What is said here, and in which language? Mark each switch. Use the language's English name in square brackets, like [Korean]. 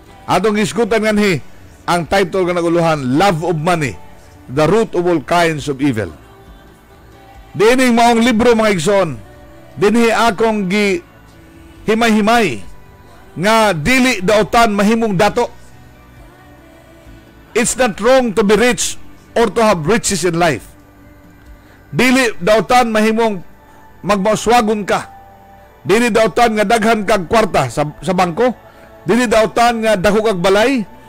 [Cebuano] Atong isgutan nganhi ang title nga naguluhan [English] Love of Money, The Root of All Kinds of Evil. [Cebuano] Dini maong libro maigsoon. Dini akong gi himay-himay nga dili daotan mahimong dato. [English] It's not wrong to be rich or to have riches in life. [Cebuano] Dili daotan mahimong magmauswagon ka. Dili daotan nga daghan kag kwarta sa bangko. Dili daotan nga dako kag balay.